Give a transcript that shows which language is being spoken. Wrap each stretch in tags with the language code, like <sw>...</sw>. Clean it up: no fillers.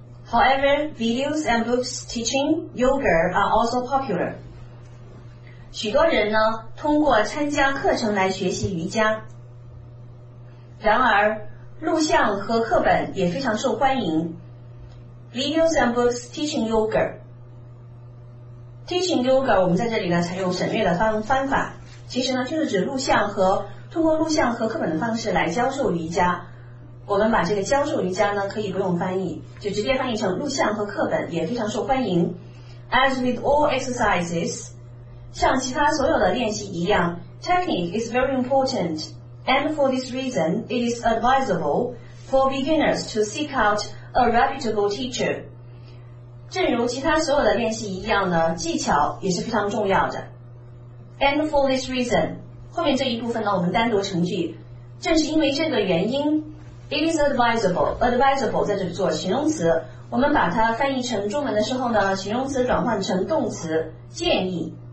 <en>However, videos and books teaching yoga are also popular.</en> <zh>许多人呢，通过参加课程来学习瑜伽。然而，录像和课本也非常受欢迎。</zh> <en>Videos and books teaching yoga. Teaching yoga</en> <zh>我们在这里呢采用省略的方法，其实呢就是指录像和通过录像和课本的方式来教授瑜伽。我们把这个教授瑜伽呢可以不用翻译，就直接翻译成录像和课本也非常受欢迎。</zh> <en>As with all exercises,</en> <zh>像其他所有的练习一样，</zh> <en>technique is very important, and for this reason, it is advisable for beginners to seek out a reputable teacher.</en> <zh>正如其他所有的练习一样呢，技巧也是非常重要的。</zh> <en>And for this reason,</en> <zh>后面这一部分呢我们单独成句，正是因为这个原因。</zh> <en>It is advisable</en> <zh>在这里做形容词，我们把它翻译成中文的时候呢，形容词转换成动词建议。</zh>